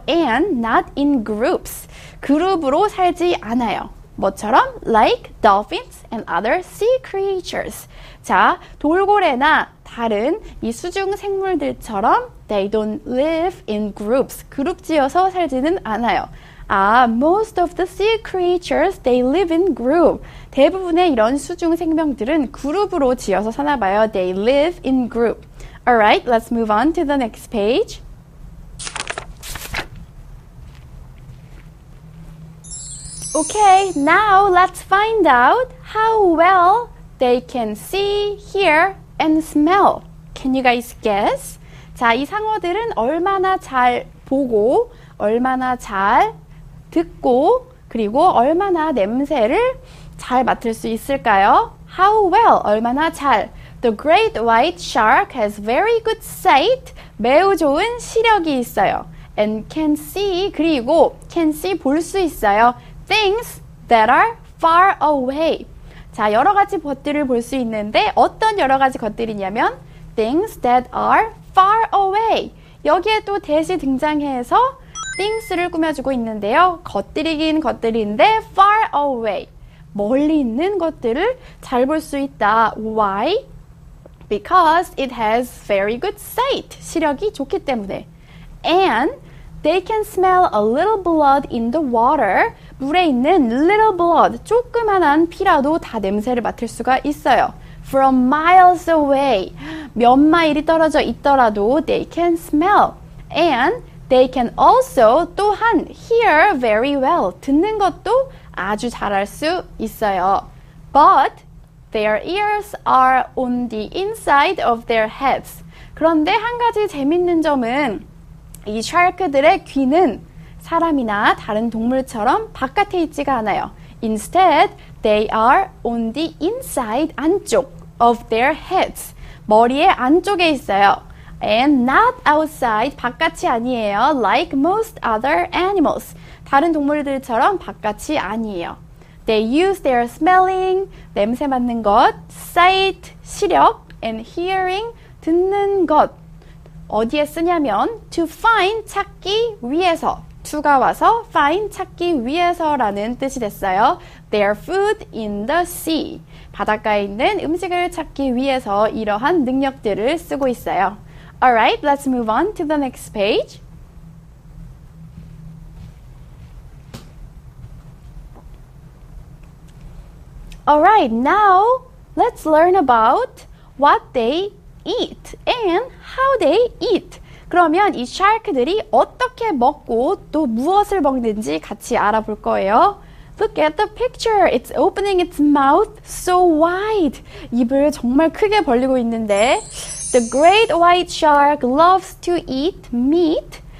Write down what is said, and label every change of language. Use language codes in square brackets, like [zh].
[en] And not in groups. [ko] 그룹으로 살지 않아요. 뭐처럼 [en] like dolphins and other sea creatures. [ko] 자, 돌고래나 다른 이 수중 생물들처럼 [en] they don't live in groups. [ko] 그룹 지어서 살지는 않아요. [en] 아, most of the sea creatures, they live in group. [ko] 대부분의 이런 수중 생명들은 그룹으로 지어서 사나 봐요. [en] They live in group. Alright, let's move on to the next page. Okay, now let's find out how well they can see, hear, and smell. Can you guys guess? [ko] 자, 이 상어들은 얼마나 잘 보고, 얼마나 잘 듣고, 그리고 얼마나 냄새를 잘 맡을 수 있을까요? [en] How well, [ko] 얼마나 잘. [en] The great white shark has very good sight. [ko] 매우 좋은 시력이 있어요. [en] And can see, [ko] 그리고 [en] can see [ko] 볼 수 있어요. [en] Things that are far away. [ko] 자, 여러 가지 것들을 볼 수 있는데 어떤 여러 가지 것들이냐면 [en] things that are far away. [ko] 여기에 또 that이 등장해서 things를 꾸며주고 있는데요. 것들이긴 것들인데 [en] far away. [ko] 멀리 있는 것들을 잘 볼 수 있다. [en] Why? Because it has very good sight. [ko] 시력이 좋기 때문에. [en] And They can smell a little blood in the water. [ko] 물에 있는 [en] little blood, [ko] 조그만한 피라도 다 냄새를 맡을 수가 있어요. [en] From miles away, [ko] 몇 마일이 떨어져 있더라도 [en] they can smell. And they can also [ko] 또한 [en] hear very well, [ko] 듣는 것도 아주 잘할 수 있어요. [en] But their ears are on the inside of their heads. [ko] 그런데 한 가지 재밌는 점은 이 샤크들의 귀는 사람이나 다른 동물처럼 바깥에 있지가 않아요. [en] Instead, they are on the inside, [ko] 안쪽 [en] of their heads. [ko] 머리의 안쪽에 있어요. [en] And not outside, [ko] 바깥이 아니에요. [en] Like most other animals. [ko] 다른 동물들처럼 바깥이 아니에요. [en] They use their smelling, [ko] 냄새 맡는 것, [en] sight, [ko] 시력, [en] and hearing, [ko] 듣는 것. 어디에 쓰냐면 [en] to find, [ko] 찾기 위해서. 투가 와서 find, 찾기 위해서라는 뜻이 됐어요. [en] Their food in the sea. [ko] 바닷가에 있는 음식을 찾기 위해서 이러한 능력들을 쓰고 있어요. [en] Alright, let's move on to the next page. Alright, now let's learn about what they eat and how they eat. [ko] 그러면 이 샤크들이 어떻게 먹고 또 무엇을 먹는지 같이 알아볼 거예요. [en] Look at the picture. It's opening its mouth so wide. [ko] 입을 정말 크게 벌리고 있는데 [en] The great white shark loves to eat meat.